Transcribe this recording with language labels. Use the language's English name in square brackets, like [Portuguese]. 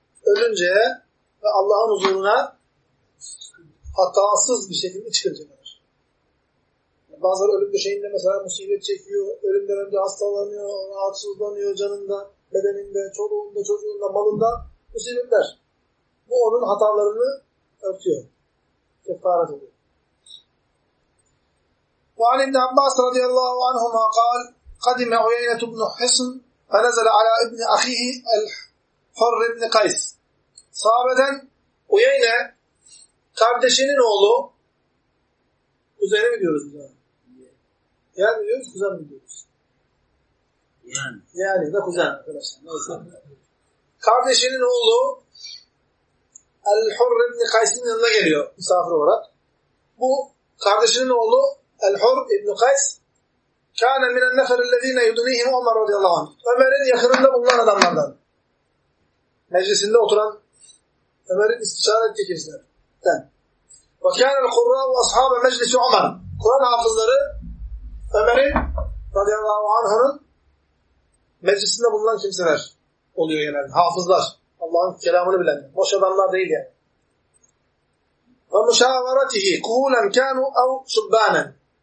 [Turkish] Ölünceye ve Allah'ın huzuruna hatasız bir şekilde çıkınca kadar. Bazıları ölüm döşeğinde mesela musibet çekiyor, ölümden önce hastalanıyor, rahatsızlanıyor canında, bedeninde, çoluğunda, çocuğunda, malında musibetler. Bu onun hatalarını örtüyor. Kefaret ediyor. [Arabic] وعن ابن عباس رضي الله عنهما قال قدم عيينة بن حصن فنزل على ابن أخيه الحر بن قيس صابداً عيينة [Turkish] kardeşinin oğlu kuzeni mi diyoruz biz ona? Yani diyoruz kuzen mi diyoruz? Yani da kuzen arkadaşlar. Kardeşinin oğlu الحر بن قيس'in yanına geliyor misafir olarak. Bu kardeşinin oğlu [Arabic] الحر ابن قيس كان من النفر الذين يدنيهم عمر رضي الله عنه. [Turkish] Ömer'in yakınında bulunan adamlardan. Meclisinde oturan Ömer'in istişare ettiği kimselerden. [Arabic] وكان القراء واصحاب مجلس عمر. [Turkish] Kur'an hafızları Ömer'in [Arabic] رضي الله عنه'nın [Turkish] meclisinde bulunan kimseler oluyor genelde. Hafızlar. Allah'ın kelamını bilenler. Boş adamlar değil yani. [Arabic] ومشاورته قهولا كانوا او شبانا.